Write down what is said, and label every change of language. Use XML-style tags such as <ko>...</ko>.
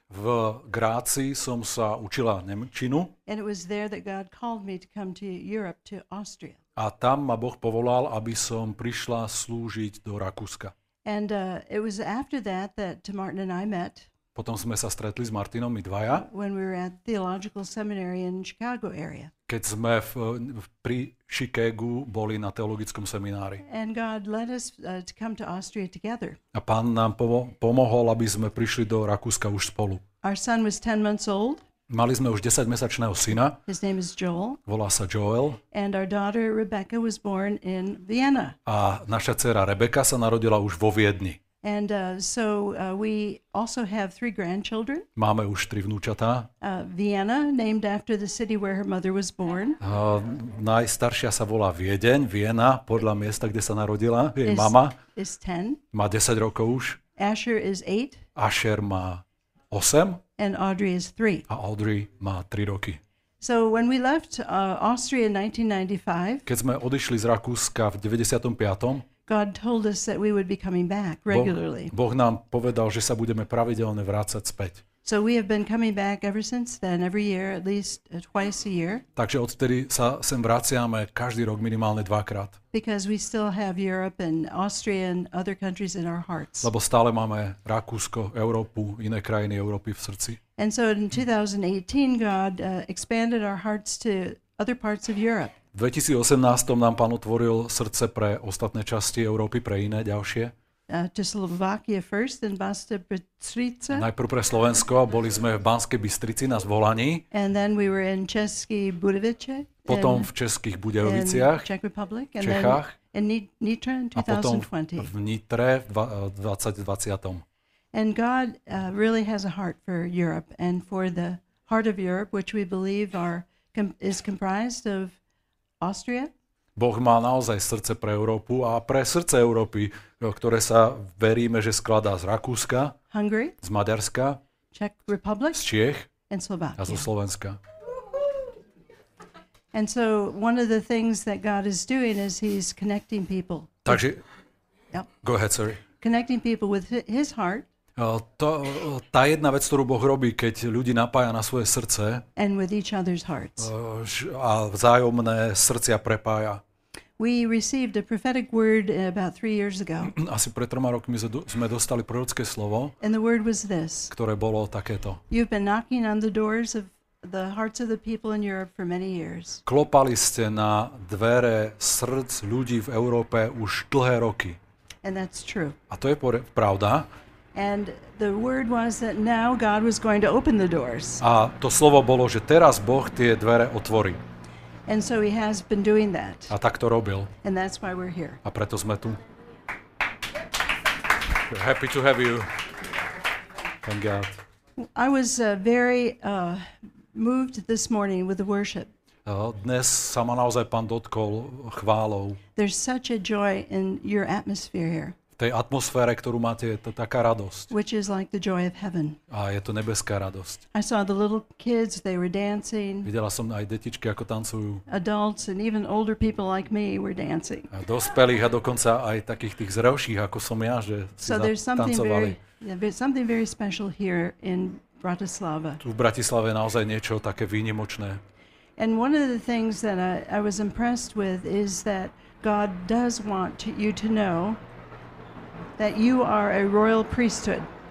<sk>V Gráci som sa učila nemčinu.</sk> <en>And it was there that God called me to come to Europe, to Austria.</en> <sk>A tam ma Boh povolal, aby som prišla slúžiť do Rakúska.</sk> <en>And it was after that Martin and I met.</en> <sk>Potom sme sa stretli s Martinom, my dvaja.</sk> <en>When we were at theological seminary in Chicago area.</en> <sk>Keď sme pri Chicagu boli na teologickom seminári.</sk> <en>And God led us to come to Austria together.</en> <sk>A Pán nám pomohol, aby sme prišli do Rakúska už spolu.</sk> <en>Our son was 10 months old.</en> <sk>Mali sme už 10-mesačného syna.</sk> <en>His name is Joel.</en> <sk>Volá sa Joel.</sk> <en>And our daughter Rebecca was born in Vienna.</en> <sk>A naša dcéra Rebecca sa narodila už vo Viedni.</sk> <en>And so we also have three grandchildren.</en> <sk>Máme už tri vnúčatá.</sk> <en>Vienna, named after the city where her mother was born.</en> <sk>Najstaršia sa volá Viedeň, Viena, podľa miesta, kde sa narodila jej mama.</sk> <en>Is 10.</en> <sk>Má 10 rokov už.</sk> <en>Asher is 8.</en> <sk>Asher má 8.</sk> <en>And Audrey is 3.</en> <sk>A Audrey má 3 roky.</sk> <en>So when we left Austria in 1995.</en> <sk>Keď sme odišli z Rakúska v 95.</sk> <en>God told us that we would be coming back regularly.</en> <sk>Boh nám povedal, že sa budeme pravidelne vrácať späť.</sk> <en>So we have been coming back ever since then, every year at least twice a year.</en> <sk>Takže odtedy sa sem vraciame každý rok minimálne dvakrát.</sk> <en>Because we still have Europe and Austria and other countries in our hearts.</en> <sk>Lebo stále máme Rakúsko, Európu, iné krajiny Európy v srdci.</sk> <en>And so in 2018 God expanded our hearts to other parts of Europe.</en> <sk>V 2018 nám Pán otvoril srdce pre ostatné časti Európy, pre iné ďalšie.</sk> <en>To Slovakia first, then Banská Bystrica.</en> <sk>Najprv pre Slovensko, boli sme v Banskej Bystrici na zvolaní.</sk> <en>And then we were in Český Budovice.</en> <sk>Potom v Českých Budějoviciach.</sk> <en>In Czech Republic,</en> <sk>v Čechách.</sk> <en>And then in Nitra in 2020.</en> <sk>A potom v Nitre v 2020.</sk> <en>And God really has a heart for Europe and for the heart of Europe, which we believe is comprised of Austria.</en> <sk>Boh má naozaj srdce pre Európu a pre srdce Európy, ktoré sa veríme, že skladá z Rakúska,</sk> <en>Hungary,</en> <sk>z Maďarska,</sk> <en>Czech Republic,</en> <sk>z Čiech</sk> <en>and Slovakia.</en> <sk>A zo Slovenska.</sk> <en>And so one of the things that God is doing is he's connecting people. Takže yep. Go ahead, sorry. Connecting people with his heart.</en> <sk>To, tá jedna vec, ktorú Boh robí, keď ľudí napája na svoje srdce</sk> <en>and with each other's hearts.</en> <sk>A vzájomné srdcia prepája.</sk> <en>We received a prophetic word about 3 years ago.</en> <sk>Asi pred 3 rokmi sme dostali prorocké slovo,</sk> <en>and the word was this,</en> <sk>ktoré bolo takéto.</sk> <en>You've been knocking on the doors of the hearts of the people in Europe for many years.</en> <sk>Klopali ste na dvere srdc ľudí v Európe už dlhé roky.</sk> <en>And that's true.</en> <sk>A to je pravda.</sk> <en>And the word was that now God was going to open the doors.</en> <sk>A to slovo bolo, že teraz Boh tie dvere otvorí.</sk> <en>And so he has been doing that.</en> <sk>A tak to robil.</sk> <en>And that's why we're here.</en> <sk>A preto sme tu.</sk> <en>We're happy to have you. Thank God. I was very moved this morning with the worship.</en> <sk>Dnes sa ma naozaj Pán dotkol chválou.</sk> <en>There's such a joy in your atmosphere here.</en> <sk>V tej atmosfére, ktorú máte, je to taká radosť.</sk> <en>Which is like the joy of heaven.</en> <sk>A je to nebeská radosť.</sk> <en>I saw the little kids, they were dancing.</en> <sk>Videla som aj detičky, ako tancujú.</sk> <en>Adults and even older people like me were dancing.</en> <sk>A dospelých a dokonca aj takých tých zrelších, ako som ja, že</sk> <en>so</en> <sk>si zatancovali.</sk> <en>There's something very special here in Bratislava.</en> <sk>Tu v Bratislave je naozaj niečo také výnimočné.</sk> <en>And one of the things that I was impressed with is that God does want you to know that you are a royal priesthood.</en>